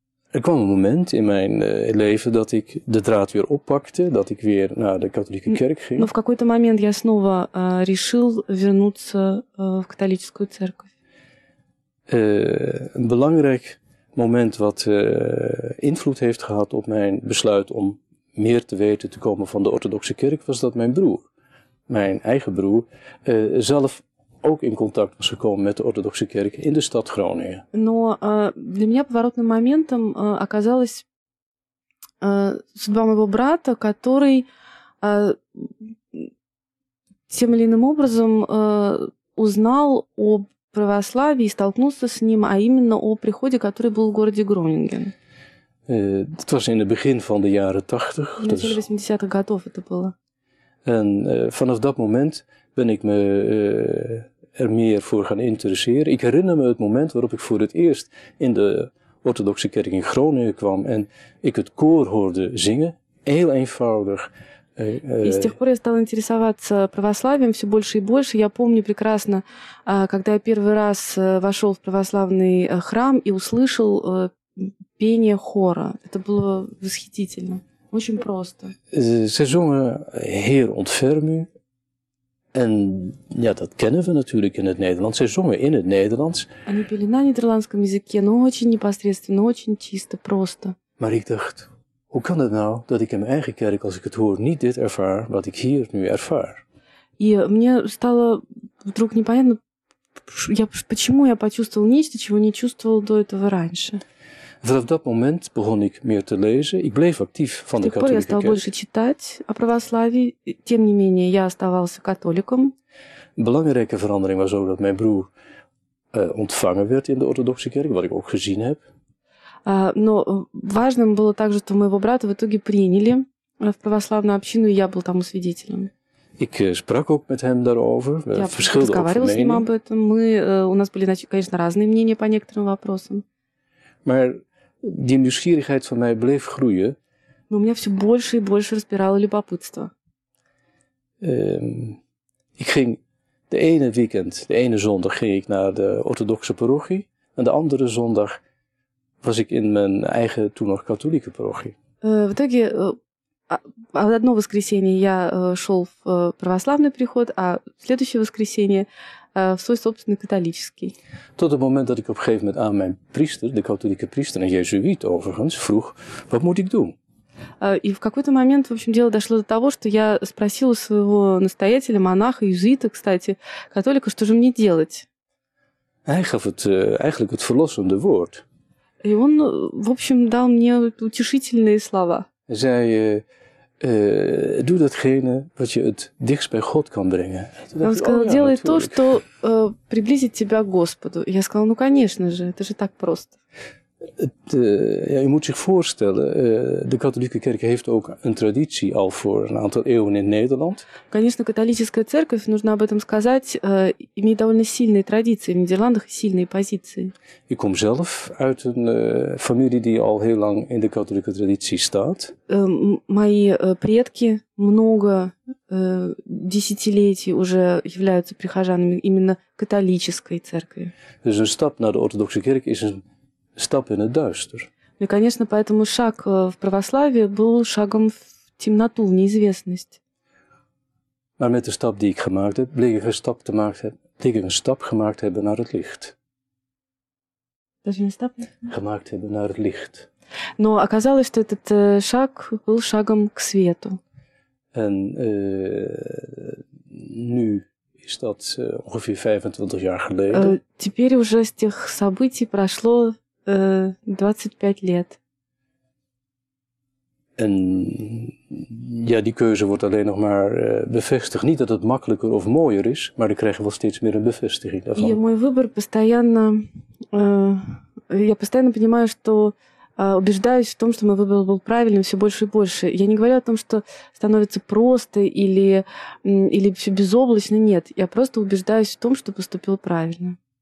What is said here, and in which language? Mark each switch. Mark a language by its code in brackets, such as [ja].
[nl] Er kwam een moment in mijn leven dat ik de draad weer oppakte, dat ik weer naar de katholieke kerk ging. [ru] Но в какой-то момент я снова решил вернуться в католическую церковь. [nl] Een belangrijk moment wat invloed heeft gehad op mijn besluit om meer te weten te komen van de orthodoxe kerk was dat mijn broer, mijn eigen broer, zelf ook in contact was gekomen met de orthodoxe kerk in de stad Groningen. [ru] Но для меня поворотным моментом оказалась судьба моего брата, который тем или иным образом узнал о православии и столкнулся с ним, а именно о приходе, который был в городе Гронинген. [nl] Het was in het begin van de jaren 80. In de [ru] 80-х годов это было. [nl] En vanaf dat moment ben ik me er meer voor gaan interesseren. Ik herinner me het moment waarop ik voor het eerst in de orthodoxe kerk in Groningen kwam en ik het koor hoorde zingen. Heel eenvoudig. [ru] И с тех пор я стала интересоваться православием все больше и больше. Я помню прекрасно, когда я первый раз вошел в православный храм и услышал пение хора. Это было восхитительно. Очень просто. [nl] Ze zongen Heer ontferm u. En ja, dat kennen we natuurlijk in het Nederlands. Ze zongen in het Nederlands. [ru] Они пели на нидерландском языке, но очень непосредственно, очень чисто, просто. [nl] Maar ik dacht, hoe kan het nou dat ik in mijn eigen kerk, als ik het hoor, niet dit ervaar, wat ik hier nu ervaar? [ru] И мне стало вдруг непонятно, почему я почувствовал нечто, чего не чувствовал до этого раньше. [nl] Vanaf dat moment begon ik meer te lezen. Ik bleef actief van de katholieke kerk. [ru] Я стал больше читать о православии. Тем не менее, я оставался католиком. [nl] Belangrijke verandering was ook dat mijn broer ontvangen werd in de orthodoxe kerk, wat ik ook gezien heb. [ru] Но важным было также, что моего брата в итоге приняли в православную общину, и я был тому свидетелем. [nl] Ik sprak ook met hem daarover. We verschilden over mening. [ru] Я разговаривал с ним об этом. Мы, у нас были, конечно, разные мнения по некоторым вопросам. [nl] Maar die nieuwsgierigheid van mij bleef groeien. [ru] Но у меня все больше и больше распирало любопытство. [nl] Ik ging de ene weekend, de ene zondag ging ik naar de orthodoxe parochie. En de andere zondag was ik in mijn eigen, toen nog katholieke parochie. [ru] В итоге, одно воскресенье я шел в православный приход, а следующее воскресенье в свой собственный католический. [nl] Tot het moment dat ik op een gegeven moment aan mijn priester, de katholieke priester, een jezuïet overigens, vroeg, wat moet ik doen? [ru] И в какой-то момент, в общем, дело дошло до того, что я спросил у своего настоятеля, монаха, иезуита, кстати, католика, что же мне делать? [nl] Hij gaf het, eigenlijk het verlossende woord. [ru] И он, в общем, дал мне утешительные слова. [nl] Hij zei, doe datgene wat je het dichtst bij God kan brengen. [ru] Он сказал, делай то, что приблизит тебя к Господу. Я сказал, ну конечно же, это же так просто. [nl] Je moet zich voorstellen, de katholieke kerk heeft ook een traditie al voor een aantal eeuwen in Nederland. [ru] Конечно, католическая церковь, нужно об этом сказать, имеет довольно сильные традиции в Нидерландах и сильные позиции. [nl] Ik kom zelf uit een familie die al heel lang in de katholieke traditie staat. [ru] Мои предки много десятилетий уже являются прихожанами именно католической церкви. [nl] Dus een stap naar de orthodoxe kerk is een stap in het duister. [ru] И, конечно, поэтому шаг в православие был шагом в темноту, в неизвестность. [nl] Maar met de stap die ik gemaakt heb, die ik een stap gemaakt heb naar het licht. Dat je een stap gemaakt hebben naar het licht. [ru] Но оказалось, что этот шаг был шагом к свету. [nl] En nu is dat ongeveer 25 jaar geleden. [ru] Теперь уже с тех событий прошло 25 лет. [nl] En ja, die keuze wordt alleen nog maar bevestigd. Niet dat het makkelijker of mooier is, maar dan krijgen we steeds meer een bevestiging daarvan. [ru] Ja, мой выбор постоянно, я постоянно понимаю, что убеждаюсь в том, что мой выбор был правильным все больше и больше. Я не говорю о том, что становится просто или все безоблачно. Нет, я просто убеждаюсь в том, что поступил правильно.